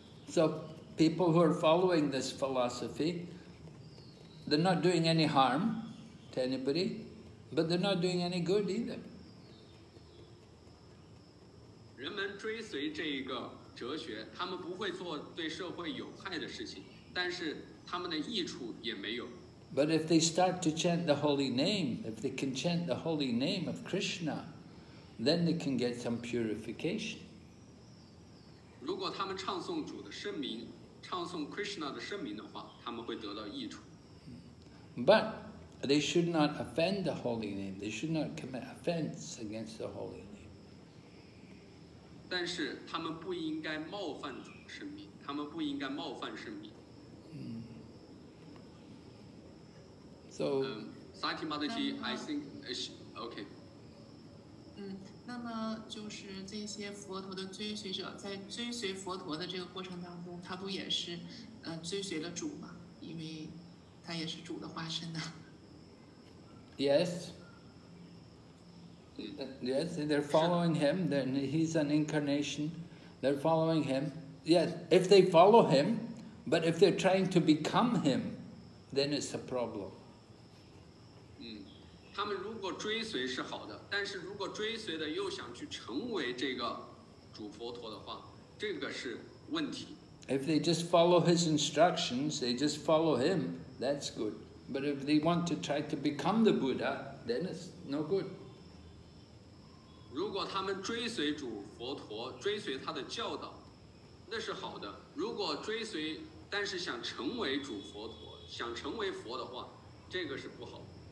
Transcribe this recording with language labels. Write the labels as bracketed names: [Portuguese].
[English] So people who are following this philosophy, they're not doing any harm to anybody, but they're not doing any good either. [Chinese] 人们追随这个哲学，他们不会做对社会有害的事情，但是他们的益处也没有。 [English] But if they start to chant the holy name, if they can chant the holy name of Krishna, then they can get some purification. [Chinese] 如果他们唱诵主的圣名，唱诵 Krishna 的圣名的话，他们会得到益处。 [English] But They should not offend the holy name. They should not commit offense against the holy name. [Chinese] 但是他们不应该冒犯主圣名，他们不应该冒犯圣名。 [English] So, Sati Mataji, I think, okay. [Chinese] 那么就是这些佛陀的追随者在追随佛陀的这个过程当中，他不也是追随了主吗？因为他也是主的化身呢。 [English] Yes. Yes, they're following him. Then he's an incarnation. They're following him. Yes, if they follow him, but if they're trying to become him, then it's a problem. 他们如果追随是好的，但是如果追随的又想去成为这个主佛陀的话，这个是问题。 If they just follow his instructions, they just follow him. That's good. But if they want to try to become the Buddha, then it's no good. [Chinese] 如果他们追随主佛陀，追随他的教导，那是好的。如果追随，但是想成为主佛陀，想成为佛的话，这个是不好。